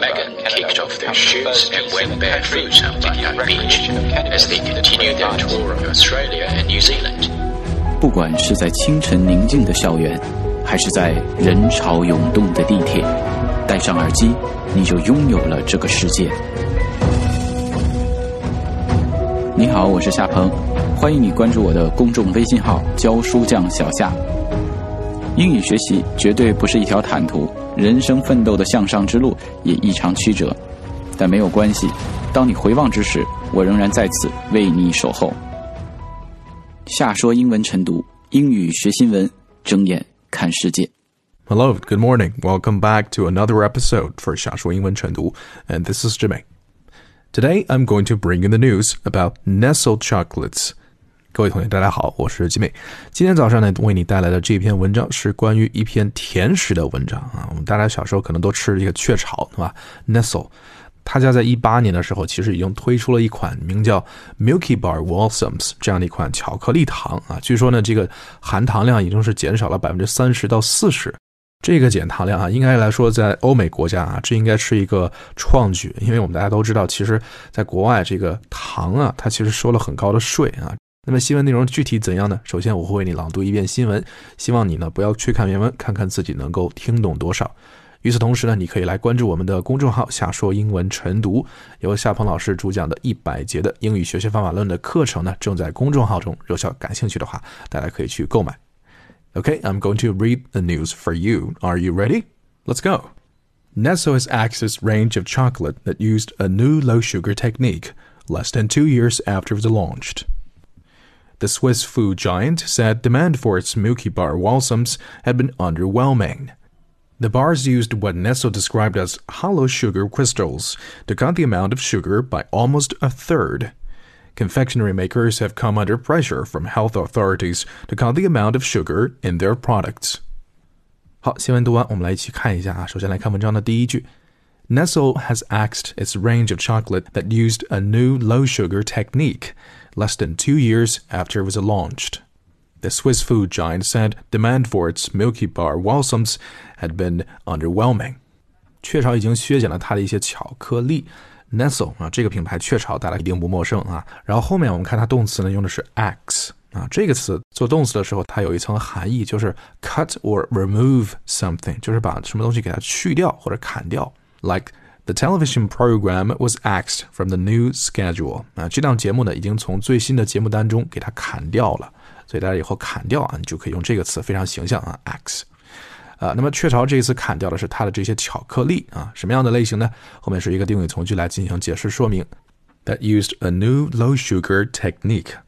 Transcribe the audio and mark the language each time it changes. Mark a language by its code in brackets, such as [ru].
[en] Megan kicked off their shoes and went barefoot on the beach as they continued their tour of Australia and New Zealand. [zh] 不管是在清晨宁静的校园，还是在人潮涌动的地铁，戴上耳机，你就拥有了这个世界。你好，我是夏鹏，欢迎你关注我的公众微信号教书匠小夏。英语学习绝对不是一条坦途，人生奋斗的向上之路也异常曲折，但没有关系，当你回望之时，我仍然在此为你守候。夏说英文晨读，英语学新闻，睁眼看世界。 [en] Hello, good morning. Welcome back to another episode for 夏说英文晨读, and this is Jimmy. Today, I'm going to bring you the news about Nestle chocolates. [zh] 各位同学大家好，我是吉美。今天早上呢，为你带来的这篇文章是关于一篇甜食的文章啊。我们大家小时候可能都吃这个雀巢，对吧 ？Nestle， 他家在18年的时候其实已经推出了一款名叫 Milky Bar Walsams 这样的一款巧克力糖啊。据说呢，这个含糖量已经是减少了 30% 到 40%。这个减糖量啊，应该来说在欧美国家啊，这应该是一个创举，因为我们大家都知道，其实在国外这个糖啊，它其实收了很高的税啊。那么新闻内容具体怎样呢？首先我会为你朗读一遍新闻，希望你呢不要去看原文，看看自己能够听懂多少。与此同时呢，你可以来关注我们的公众号夏说英文晨读，由夏鹏老师主讲的100节的英语学习方法论的课程呢正在公众号中热销，感兴趣的话大家可以去购买。 [en] Okay, I'm going to read the news for you. Are you ready? Let's go. Nestle has accessed range of chocolate that used a new low-sugar technique less than 2 years after it was launched. The Swiss food giant said demand for its Milky Bar Walsams had been underwhelming. The bars used what Nestle described as hollow sugar crystals to cut the amount of sugar by almost a third. Confectionery makers have come under pressure from health authorities to cut the amount of sugar in their products. [zh] 好，新闻读完，我们来一起看一下啊。首先来看文章的第一句。 [en] Nestle has axed its range of chocolate that used a new low-sugar technique less than 2 years after it was launched. The Swiss food giant said demand for its Milky Bar Walsams had been underwhelming. [zh] 雀巢已经削减了它的一些巧克力。 Nestle、啊、这个品牌雀巢大家一定不陌生啊。然后后面我们看它动词呢用的是 ax、啊、这个词做动词的时候它有一层含义，就是 [en] cut or remove something， [zh] 就是把什么东西给它去掉或者砍掉。 [en] Like the television program was axed from the new schedule、 [zh] 啊、这档节目呢已经从最新的节目单中给它砍掉了，所以大家以后砍掉、啊、你就可以用这个词，非常形象啊 ax。那么雀巢这一次砍掉的是它的这些巧克力啊，什么样的类型呢？后面是一个定语从句来进行解释说明。 [en] That used a new low sugar technique，